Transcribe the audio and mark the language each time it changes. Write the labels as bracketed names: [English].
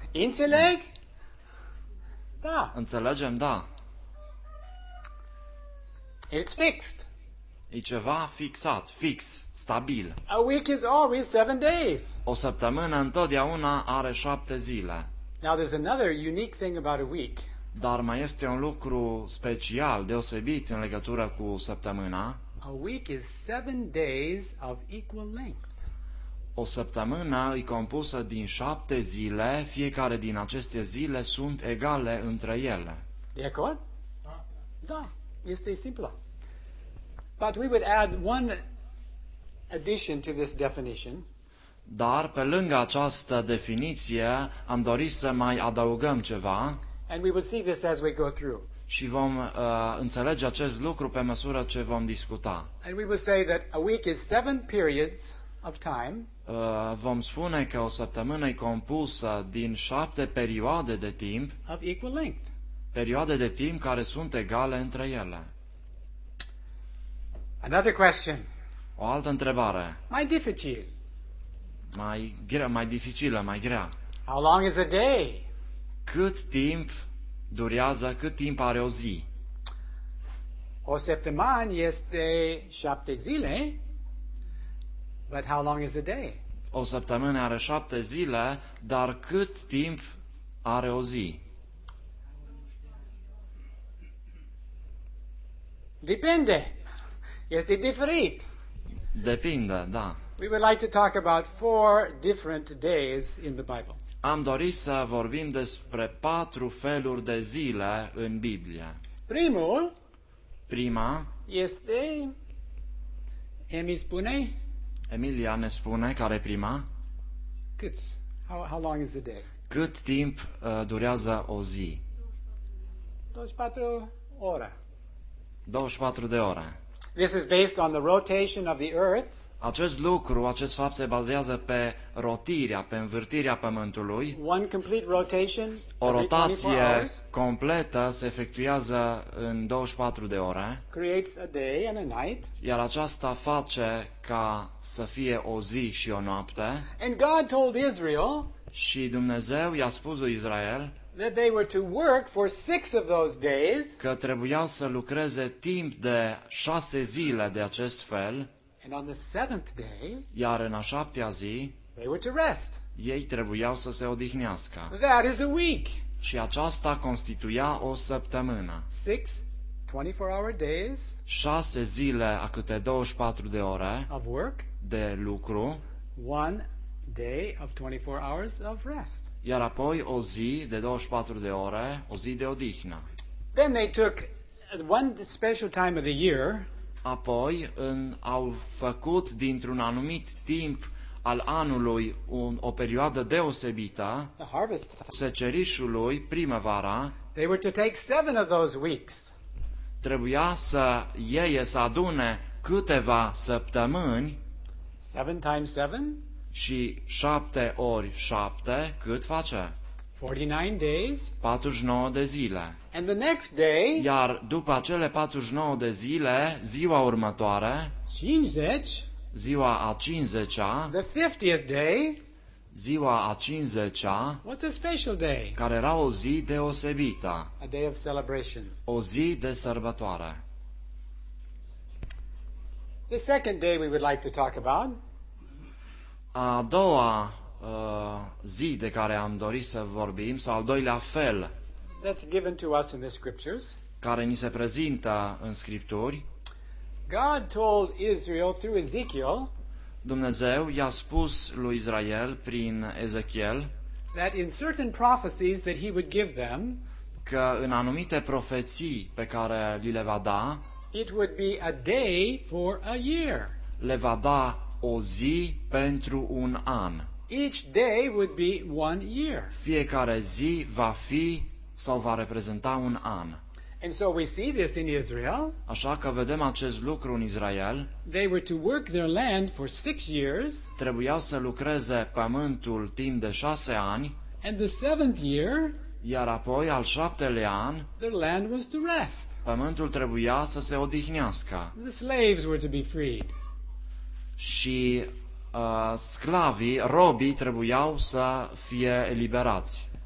[Romanian] Înțeleg? Da. Înțelegem, da. [English] It's fixed. [Romanian] E ceva fixat, fix, stabil. [English] A week is always 7 days. [Romanian] O săptămână întotdeauna are 7 zile. [English] Now there's another unique thing about a week. [Romanian] Dar mai este un lucru special, deosebit în legătură cu săptămâna. [English] A week is 7 days of equal length. [Romanian] O săptămână e compusă din 7 zile, fiecare din aceste zile sunt egale între ele. De acord? Da, este simplu. [English] But we would add one addition to this definition. [Romanian] Dar pe lângă această definiție, am dorit să mai adăugăm ceva. [English] And we will see this as we go through. [Romanian] Și vom înțelege acest lucru pe măsură ce vom discuta. [English] And we will say that a week is 7 periods of time. [Romanian] Vom spune că o săptămână e compusă din 7 perioade de timp. [English] Of equal length. [Romanian] Perioade de timp care sunt egale între ele. [English] Another question. [Romanian] O altă întrebare. Mai dificil. Mai grea, mai dificilă, mai grea. [English] How long is a day? [Romanian] Cât timp durează, cât timp are o zi? O săptămână este 7 zile, [English] but how long is a day? [Romanian] O săptămână are 7 zile, dar cât timp are o zi? Depinde. Este diferit. Depinde, da. [English] We would like to talk about 4 different days in the Bible. [Romanian] Am dorit să vorbim despre 4 feluri de zile în Biblie. Primul. Prima. Este. Emil spune. Emilia ne spune care prima. Cât? [English] How long is the day? [Romanian] Cât timp durează o zi? 24 ore. 24 de ore. [English] This is based on the rotation of the earth. [Romanian] Acest lucru, acest fapt se bazează pe rotirea, pe învârtirea pământului. [English] One complete rotation. [Romanian] O rotație completă se efectuează în 24 de ore. [English] Creates a day and a night. [Romanian] Iar aceasta face ca să fie o zi și o noapte. [English] And God told Israel. [Romanian] Și Dumnezeu i-a spus lui Israel. [English] That they were to work for 6 of those days. [Romanian] Că trebuiau să lucreze timp de 6 zile de acest fel. [English] And on the 7th day. [Romanian] Iar în a 7-a zi. [English] They were to rest. [Romanian] Ei trebuiau să se odihnească. [English] That is a week. [Romanian] Și aceasta constituia o săptămână. [English] 6 24-hour days. [Romanian] 6 zile a câte 24 de ore. [English] Of work. [Romanian] De lucru. [English] 1 day of 24 hours of rest. [Romanian] Iar apoi o zi de 24 de ore, o zi de odihnă. [English] Then they took one special time of the year. [Romanian] Apoi au făcut dintr-un anumit timp al anului o perioadă deosebită, secerișului, primăvara. [English] They were to take 7 of those weeks. [Romanian] Trebuia să ieie, să adune câteva săptămâni. [English] 7 times 7. [Romanian] Și 7 ori 7, cât face? [English] 49 days. [Romanian] 49 de zile. [English] And the next day. [Romanian] Iar după acele 49 de zile, ziua următoare. 50. Ziua a 50-a. [English] The 50th day. [Romanian] Ziua a 50-a. [English] What's a special day? [Romanian] Care era o zi deosebită. [English] A day of celebration. [Romanian] O zi de sărbătoare. [English] The second day we would like to talk about. [Romanian] A doua zi de care am dorit să vorbim, sau al doilea fel, [English] that's given to us in the scriptures. [Romanian] Care ni se prezintă în Scripturi, [English] God told Israel through Ezekiel, [Romanian] Dumnezeu i-a spus lui Israel prin Ezechiel, [English] that in certain prophecies that he would give them, [Romanian] că în anumite profeții pe care li le va da, [English] it would be a day for a year. [Romanian] Le va da o zi pentru un an. [English] Each day would be one year. [Romanian] Fiecare zi va fi sau va reprezenta un an. [English] And so we see this in Israel. [Romanian] Așa că vedem acest lucru în Israel. [English] They were to work their land for 6 years. [Romanian] Trebuiau să lucreze pământul timp de 6 ani. [English] And the 7th year. [Romanian] Iar apoi al 7-lea an. [English] Their land was to rest. [Romanian] Pământul trebuia să se odihnească. [English] The slaves were to be freed. [Romanian] Și sclavii, robii trebuiau să fie eliberați.